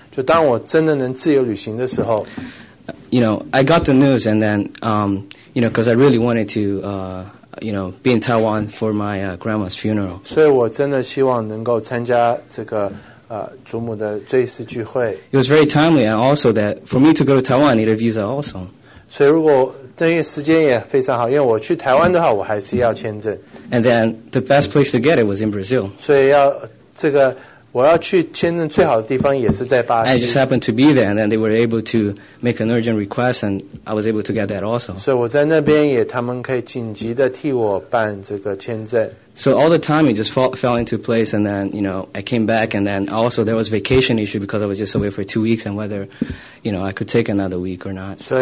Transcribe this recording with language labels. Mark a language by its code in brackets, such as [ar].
[zh] 所以这一切都非常顺利，就当我真的能自由旅行的时候。 [en] You know, I got the news, and then, you know, because I really wanted to, you know, be in Taiwan for my grandma's funeral. [zh] 所以我真的希望能够参加这个祖母的追思聚会。 [en] It was very timely, and also that for me to go to Taiwan, I need a visa also. [zh] 所以如果等于时间也非常好，因为我去台湾的话，我还是要签证。 [en] And then the best place to get it was in Brazil. [zh] 我要去签证最好的地方也是在巴西。 [en] I just happened to be there, and then they were able to make an urgent request, and I was able to get that also. [zh] 所以我在那边也，他们可以紧急的替我办这个签证。 [en] So all the time it just fell into place, and then you know I came back, and then also there was vacation issue because I was just away for 2 weeks, and whether you know I could take another week or not.